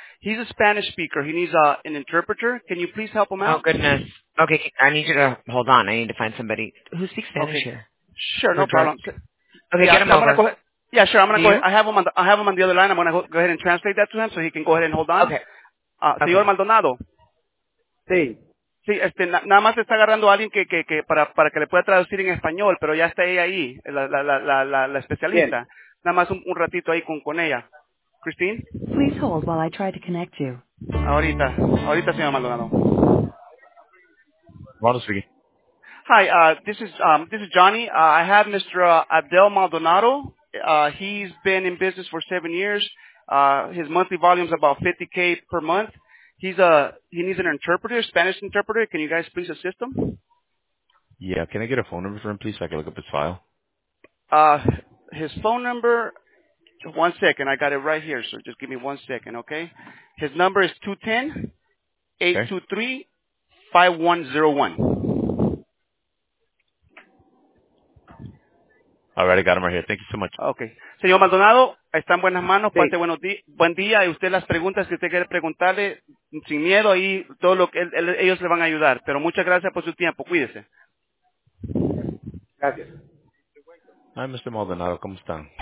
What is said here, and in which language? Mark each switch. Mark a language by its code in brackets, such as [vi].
[en] He's a Spanish speaker. He needs an interpreter. Can you please help him out? Oh, goodness. Okay, I need you to hold on. I need to find somebody who speaks Spanish here. Sure, no problem. Okay, get him over. I have him on the other line. I'm going to go ahead and translate that to him so he can go ahead and hold on. Okay. [es] Señor Maldonado. Sí. Sí, nada más está agarrando a alguien que para que le pueda traducir en español, pero ya está ella ahí, la especialista. Bien. nada más un ratito ahí con ella. [en] Christine? Please hold while I try to connect you. [es] Ahorita, señor Maldonado. [en] Ronald speaking. Hi, this is Johnny. I have Mr. Adel Maldonado. He's been in business for 7 years. His monthly volume is about 50K per month. He needs an interpreter, Spanish interpreter. Can you guys please assist him? Yeah, can I get a phone number for him, please, so I can look up his file? His phone number, 1 second. I got it right here, sir. Just give me 1 second, okay? His number is 210-823-5101. All right, I got him right here. Thank you so much. Okay. [es] Señor Maldonado, está en buenas manos. Sí. Pase buen día. Y usted las preguntas que usted quiere preguntarle, sin miedo, ahí todo lo que ellos le van a ayudar. Pero muchas gracias por su tiempo. Cuídese. Gracias. [en] Hi, Mr. Maldonado. [es] ¿Cómo están?